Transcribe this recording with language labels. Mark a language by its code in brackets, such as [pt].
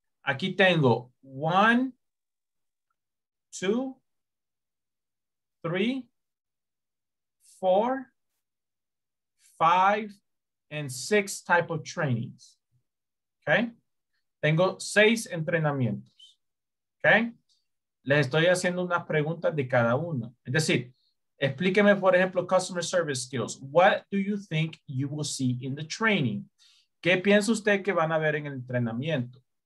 [es] Aquí tengo [en] one, 2, 3, 4, 5, and 6 type of trainings. Okay? [es] Tengo 6 entrenamientos. Okay? Les estoy haciendo unas preguntas de cada uno. Es decir, explíqueme, por ejemplo, customer service skills. [en] What do you think you will see in the training? [es] ¿Qué piensa usted que van a ver en el entrenamiento?